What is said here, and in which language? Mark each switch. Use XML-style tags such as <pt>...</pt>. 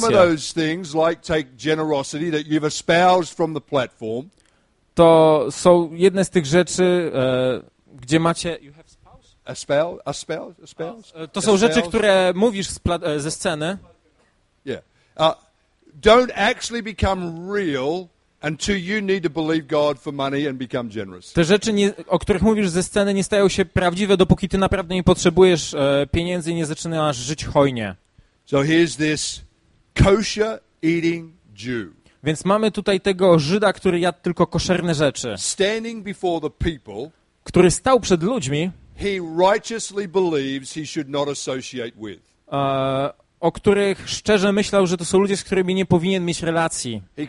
<en>Some of those things, like take generosity, that you've espoused from the platform.</en> <pl>To są jedne z tych rzeczy, gdzie macie...</pl> <en>You have spouse? A spell?</en> <pl>To są rzeczy, które mówisz ze sceny.</pl> <en>Yeah. Don't actually become real until you need to believe God for money and become generous.</en> <pl>Te rzeczy, o których mówisz ze sceny, nie stają się prawdziwe, dopóki ty naprawdę nie potrzebujesz pieniędzy i nie zaczynasz żyć hojnie.</pl> <en>So here's this kosher eating Jew.</en> <pl>Więc mamy tutaj tego Żyda, który jadł tylko koszerne rzeczy.</pl> <en>Standing before the people,</en> <pl>który stał przed ludźmi,</pl> <en>he righteously believes he should not associate with.</en> <pl>O których szczerze myślał, że to są ludzie, z którymi nie powinien mieć relacji.</pl>